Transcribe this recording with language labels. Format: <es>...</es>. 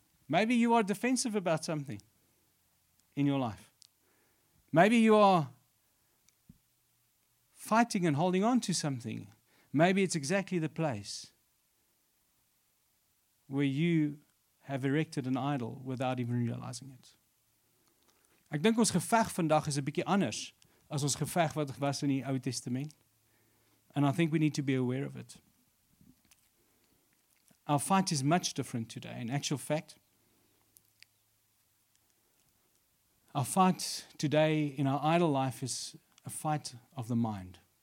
<en>Maybe you are defensive about something in your life. Maybe you are fighting and holding on to something. Maybe it's exactly the place where you have erected an idol without even realizing it.</en> <af>Ek dink ons geveg vandag is 'n bietjie anders as ons geveg wat was in die Ou Testament.</af> <en>And I think we need to be aware of it. Our fight is much different today. In actual fact, our fight today in our idol life is a fight of the mind.</en>